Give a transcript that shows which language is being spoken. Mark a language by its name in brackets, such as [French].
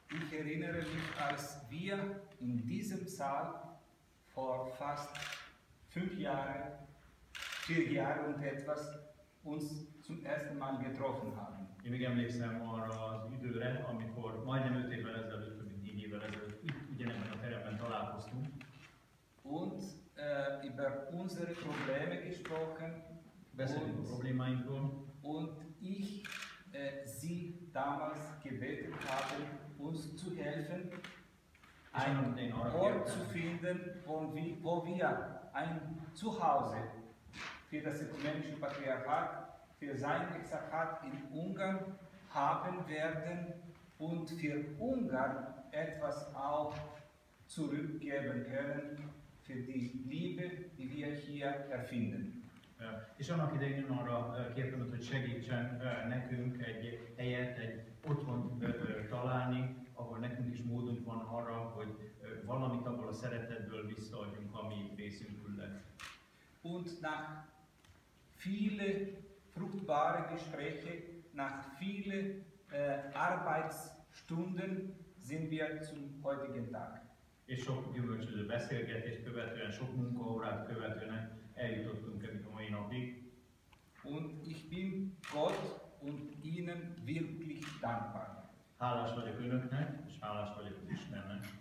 [German] Ich erinnere mich, als wir in diesem Saal vor fast 4 Jahre und etwas uns zum ersten Mal getroffen haben. Ich erinnere mich an das [Hungarian] időre, amikor majdnem 5 évvel ezelőtt, vagy 4 évvel ezelőtt ugyanebben a teremben találkoztunk. [German] Und über unsere Probleme gesprochen. [Hungarian] Beszélünk a problémáinkról. [German] Und ich sie damals gebeten haben, uns zu helfen, einen Ort zu finden, wo wir ein Zuhause für das ökumenische Patriarchat, für sein Exarchat in Ungarn haben werden und für Ungarn etwas auch zurückgeben können für die Liebe, die wir hier erfinden. [Hungarian] És annak idején én arra kértem, hogy segítsen nekünk egy helyet, egy otthont találni, ahol nekünk is módunk van arra, hogy valamit abból a szeretetből visszaadjunk, ami részünkül lett. [German] Und nach viele fruchtbare Gespräche, nach viele Arbeitsstunden sind wir zum heutigen Tag. [Hungarian] És sok gyümölcsöző beszélgetést követően, sok munkaórát követően eljutottunk ebben a mai napig. [German] Und ich bin Gott und Ihnen wirklich dankbar. [Hungarian] Hálás vagyok Önöknek, és hálás vagyok az Istennek.